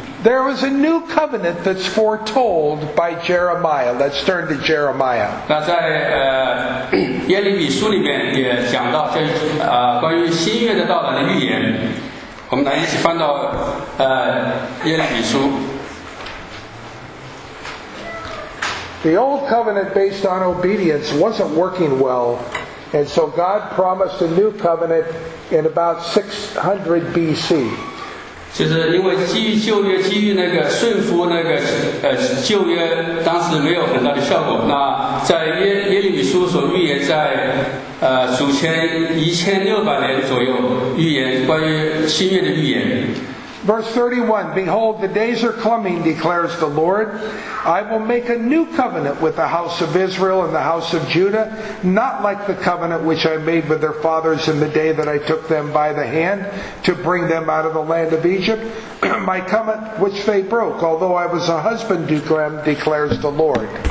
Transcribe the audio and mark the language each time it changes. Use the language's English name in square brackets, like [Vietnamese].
[English] There was a new covenant that's foretold by Jeremiah. Let's turn to Jeremiah. [Chinese] 那在耶利米书里面也讲到，就关于新约的道的预言。我们来一起翻到耶利米书。 [English] The old covenant based on obedience wasn't working well, and so God promised a new covenant in about 600 BC. [Chinese] 就是因为基于旧约，基于那个顺服那个旧约，当时没有很大的效果。那在耶利米书所预言，在主前1600年左右预言关于新约的预言。 [English] Verse 31, Behold, the days are coming, declares the Lord. I will make a new covenant with the house of Israel and the house of Judah, not like the covenant which I made with their fathers in the day that I took them by the hand to bring them out of the land of Egypt, my covenant which they broke, although I was a husband to them, declares the Lord.